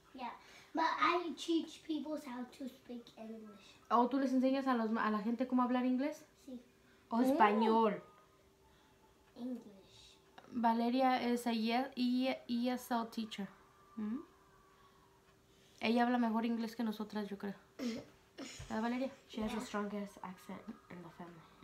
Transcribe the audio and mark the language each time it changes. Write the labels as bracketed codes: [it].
[en] Yeah, but I teach people how to speak English. [es] Oh, ¿tú les enseñas a la gente cómo hablar inglés? Sí. O español. [en] English. Valeria is a ESL teacher. [es] Ella habla mejor inglés que nosotras, yo creo. Valeria? [en] She has the strongest accent in the family.